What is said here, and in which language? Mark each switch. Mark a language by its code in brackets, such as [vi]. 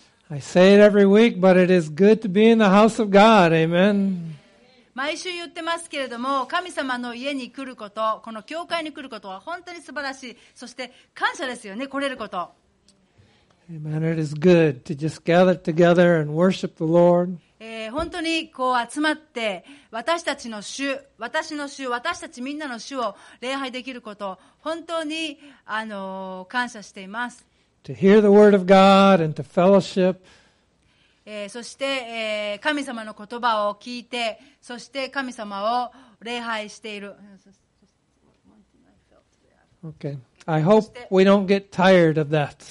[en] I say it every week, but it is good to be in the house of God. Amen. [ja] 毎週言ってますけれども、神様の家に来ること、この教会に来ることは本当に素晴らしい。そして感謝ですよね、来れること。 [en] Amen. It is good to just gather together and worship the Lord. [ja] 本当にこう集まって、私たちの主、私の主、私たちみんなの主を礼拝できること、本当に感謝しています。 [en] To hear the word of God and to fellowship. [ja] そして、神様の言葉を聞いて、そして神様を礼拝している。 [en] Okay. I hope we don't get tired of that.